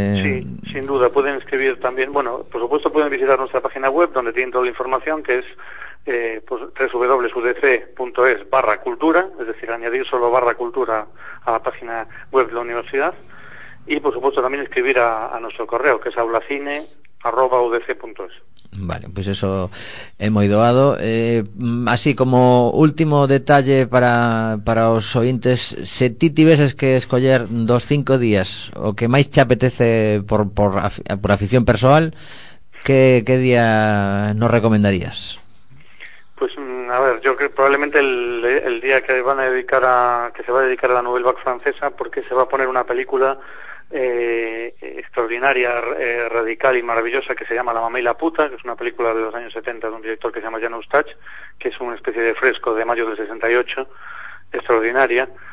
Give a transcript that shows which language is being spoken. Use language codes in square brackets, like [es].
[es] Sí, sin duda, [gl] poden escribir tamén, [es] bueno, por supuesto [gl] poden visitar nosa página web onde [es] tienen toda a información, que es www.udc.es/cultura, es decir, añadir solo /cultura a la página web de la universidad, y por supuesto también escribir a nuestro correo, que es aulacine@udc.es. Vale, pues eso es muy doado. [gl] Así como último detalle para os ointes, si ti tiveses que escoller dos 5 días o que máis te apetece por afición personal, ¿qué día nos recomendarías? [es] Pues a ver, yo creo probablemente el día que van a dedicar a que se va a dedicar a la Nouvelle Vague francesa, porque se va a poner una película extraordinaria, radical y maravillosa, que se llama La mamá y la puta, que es una película de los años 70 de un director que se llama Jean Eustache, que es una especie de fresco de mayo del 68, extraordinaria,